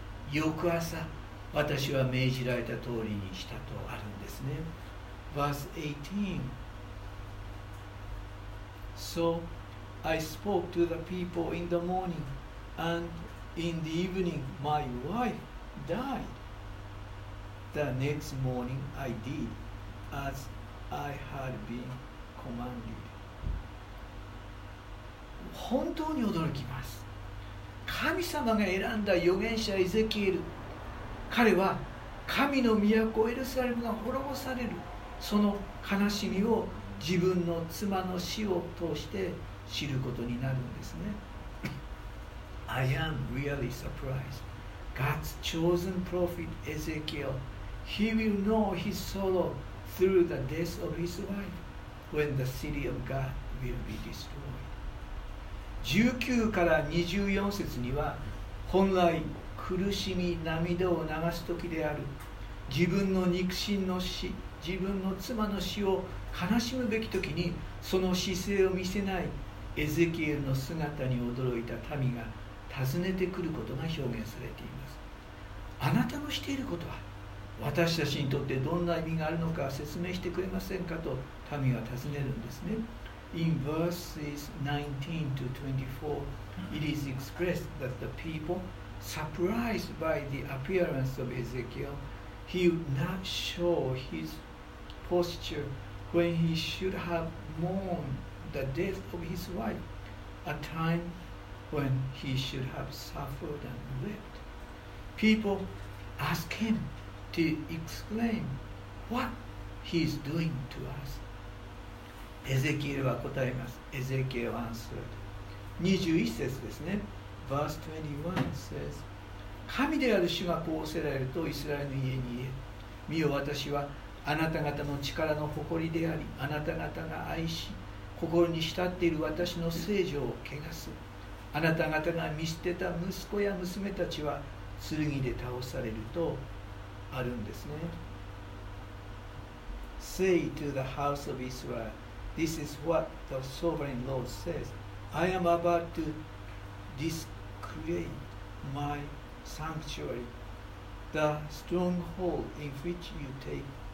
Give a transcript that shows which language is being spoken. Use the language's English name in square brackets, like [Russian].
[Japanese] 翌朝、私は命じられた通りにしたとあるんですね。 [English] Verse 18So I spoke to the people in the morning, and in the evening my wife died. The next morning I did as I had been commanded. [Japanese] 本当に驚きます。神様が選んだ預言者エゼキエル。彼は神の都エルサレムが滅ぼされる、その悲しみを自分の妻の死を通して知ることになるんですね。 [English] I am really surprised. God's chosen prophet Ezekiel, he will know his sorrow through the death of his wife when the city of God will be destroyed. [Japanese] 19から24節には、本来苦しみ、涙を流す時である自分の肉親の死、自分の妻の死を悲しむべき時にその姿勢を見せないエゼキエルの姿に驚いた民が訪ねてくることが表現されています。あなたのしていることは私たちにとってどんな意味があるのか説明してくれませんかと民は尋ねるんですね。 [English] In verses 19 to 24 it is expressed that the people surprised by the appearance of Ezekiel he would not show his postureWhen he should have mourned the death of his wife, a time when he should have suffered and wept. People ask him to explain what he is doing to us. [Japanese] Ezekiel は答えます。 [English] Ezekiel answered. [Japanese] 21節ですね。 [English] Verse 21 says, [Japanese] 神である主がこうおせられるとイスラエルの家に言え。見よ、私はあなた方の力の誇りであり、あなた方が愛し、心に慕っている私の聖女を汚す。あなた方が見捨てた息子や娘たちは剣で倒されるとあるんですね。 [English] Say to the house of Israel, This is what the sovereign Lord says. I am about to desecrate my sanctuary, the stronghold in which you take.